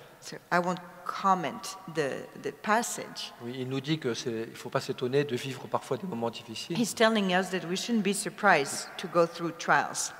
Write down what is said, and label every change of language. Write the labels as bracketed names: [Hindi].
[English] Sir, I won't comment the passage. [French] Oui, il nous dit que il faut pas s'étonner de vivre parfois des moments difficiles. [English] He's telling us that we shouldn't be surprised to go through trials.